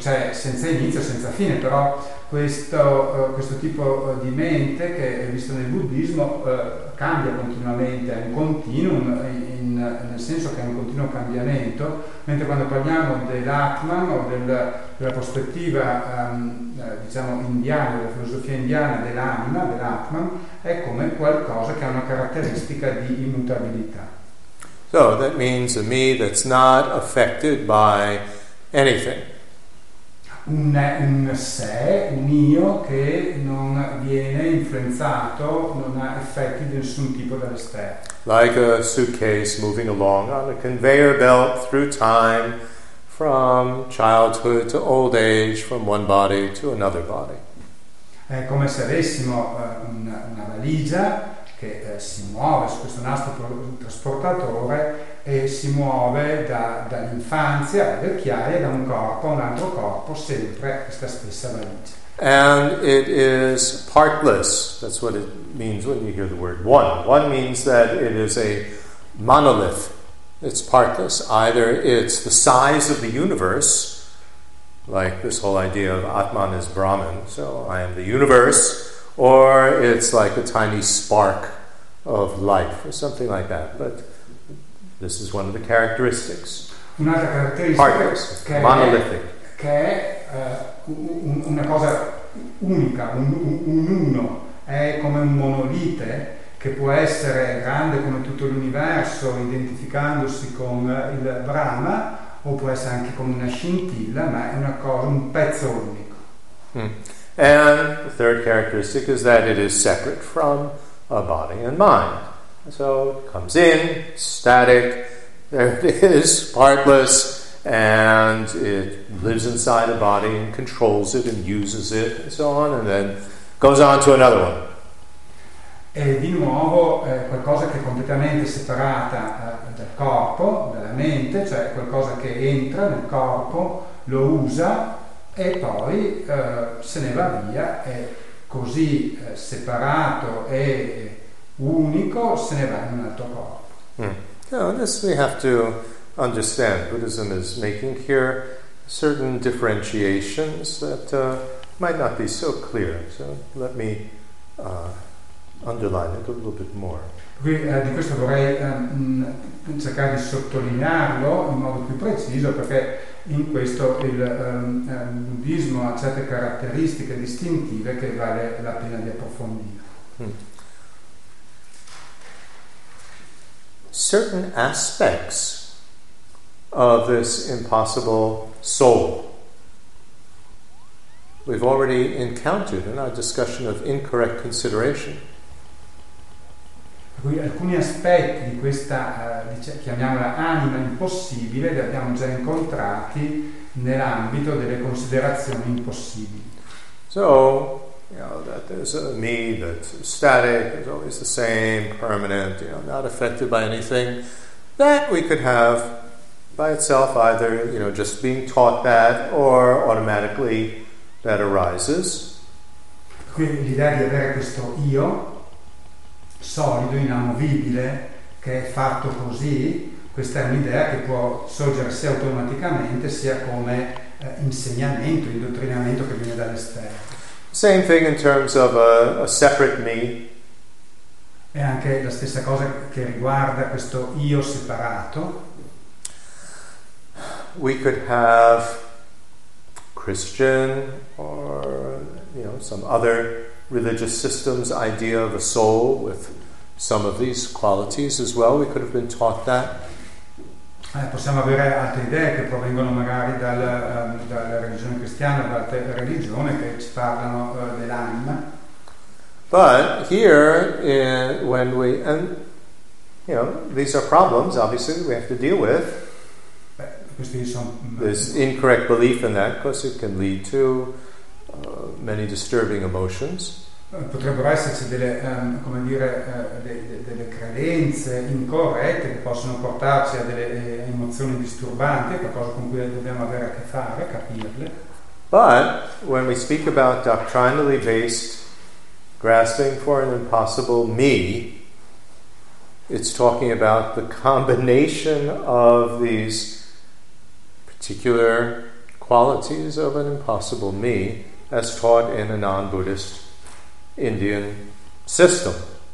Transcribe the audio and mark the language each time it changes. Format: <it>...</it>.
<it>Cioè senza inizio, senza fine, però questo tipo di mente che è visto nel buddismo cambia continuamente, è un continuum nel senso che è un continuo cambiamento, mentre quando parliamo dell'Atman o della prospettiva diciamo indiana, della filosofia indiana dell'anima, dell'Atman, è come qualcosa che ha una caratteristica di immutabilità.</it> <en>So that means a me that's not affected by anything.</en> <it>Un sé, un io che non viene influenzato, non ha effetti di nessun tipo dall'esterno.</it> <en>Like a suitcase moving along on a conveyor belt through time, from childhood to old age, from one body to another body.</en> <it>È come se avessimo una valigia che si muove su questo nastro trasportatore e si muove dall'infanzia alla vecchiaia, da un corpo a un altro corpo, sempre questa stessa valigia.</it> <en>And it is partless. That's what it means when you hear the word one. One means that it is a monolith. It's partless. Either it's the size of the universe, like this whole idea of Atman is Brahman, so I am the universe, or it's like a tiny spark of life, or something like that. But this is one of the characteristics.</en> <it>Un'altra caratteristica.</it> <en>Partless,</en> <it>che</it> <en>monolithic.</en> <it>Che è una cosa unica, un uno, è come un monolite che può essere grande come tutto l'universo, identificandosi con il Brahma, o può essere anche come una scintilla, ma è una cosa, un pezzo unico.</it> <en>And the third characteristic is that it is separate from a body and mind. So it comes in, static, there it is, partless, and it lives inside a body and controls it and uses it and so on, and then goes on to another one.</en> <it>E di nuovo qualcosa che è completamente separata dal corpo, dalla mente, cioè qualcosa che entra nel corpo, lo usa, e poi se ne va via, è così separato e unico, se ne va in un altro corpo.</it> <en>Now, this we have to understand. Buddhism is making here certain differentiations that might not be so clear. So let me underline it a little bit more.</en> <it>Qui, di questo vorrei cercare di sottolinearlo in modo più preciso, perché in questo il buddismo ha certe caratteristiche distintive che vale la pena di approfondire.</it> <en>Certain aspects of this impossible soul we've already encountered in our discussion of incorrect consideration.</en> <it>Alcuni aspetti di questa, chiamiamola anima impossibile, li abbiamo già incontrati nell'ambito delle considerazioni impossibili.</it> <en>So, you know, that there's a me that's static, is always the same, permanent, you know, not affected by anything, that we could have by itself either, you know, just being taught that or automatically that arises.</en> <it>Quindi l'idea di avere questo io solido, inamovibile, che è fatto così, questa è un'idea che può sorgere sia automaticamente sia come insegnamento, indottrinamento che viene dall'esterno.</it> <en>Same thing in terms of a separate me.</en> <it>È anche la stessa cosa che riguarda questo io separato.</it> <en>We could have Christian or, you know, some other religious systems idea of a soul with some of these qualities as well. We could have been taught that.</en> <it>Possiamo avere altre idee che provengono magari dalla religione cristiana, da altre religioni che ci parlano dell'anima.</it> <en>But here, when we, and you know, these are problems obviously we have to deal with. This incorrect belief in that, because it can lead to many disturbing emotions.</en> <it>Potrebbero esserci delle, come dire, delle credenze incorrette che possono portarci a delle emozioni disturbanti, qualcosa con cui dobbiamo avere a che fare, capirle.</it> <en>But when we speak about doctrinally based grasping for an impossible me, it's talking about the combination of these particular qualities of an impossible me as taught in a non-Buddhist Indian system.</en>